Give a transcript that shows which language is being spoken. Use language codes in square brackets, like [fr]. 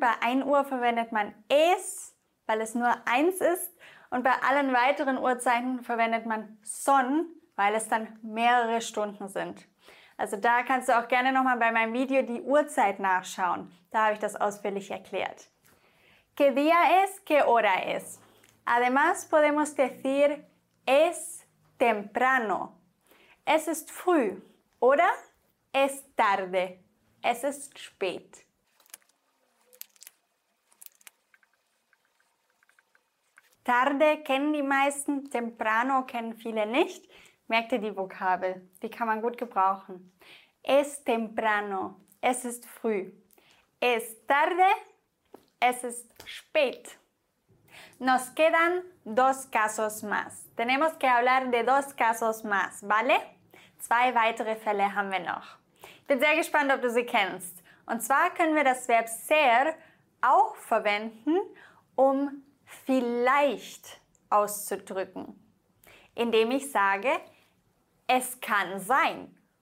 [de] Bei 1 Uhr verwendet man es, weil es nur 1 ist. Und bei allen weiteren Uhrzeiten verwendet man son, weil es dann mehrere Stunden sind. Also da kannst du auch gerne nochmal bei meinem Video die Uhrzeit nachschauen. Da habe ich das ausführlich erklärt. [es] ¿Qué día es? ¿Qué hora es? Además podemos decir es temprano. [de] Es ist früh. Oder [es] es tarde. [de] Es ist spät. Tarde kennen die meisten, temprano kennen viele nicht. Merkt ihr die Vokabel? Die kann man gut gebrauchen. [es] Es temprano. [de] Es ist früh. [es] Es tarde. [de] Es ist spät. [es] Nos quedan dos casos más. Tenemos que hablar de dos casos más, ¿vale? [de] 2 weitere Fälle haben wir noch. Ich bin sehr gespannt, ob du sie kennst. Und zwar können wir das Verb ser auch verwenden, um vielleicht auszudrücken. Indem ich sage, es kann sein.